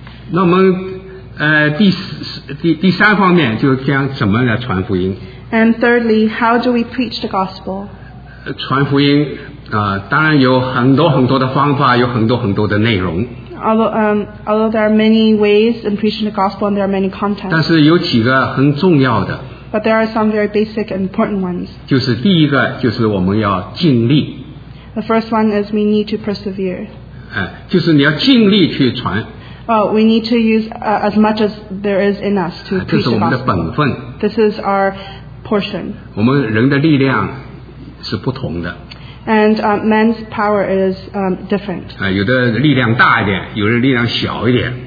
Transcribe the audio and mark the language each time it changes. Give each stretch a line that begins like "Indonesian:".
Chinese: 那我们第三方面就将怎么来传福音。
English: And thirdly, how do we preach the gospel?
Chinese: 传福音。当然有很多很多的方法，有很多很多的内容。
English: Although there are many ways in preaching the gospel, and there are many contents.
Chinese: 但是有几个很重要的。
English: But there are some very basic and important ones.
Chinese: 就是第一个，就是我们要尽力。
English: The first one is we need to persevere.
Chinese: 就是你要尽力去传。
English: We need to use as much as there is in us to preach the gospel.
Chinese: 这是我们的本分。
English: This is our portion.
Chinese: 我们人的力量是不同的。
English: And man's power is different.
Chinese: 有的力量大一点，有的力量小一点。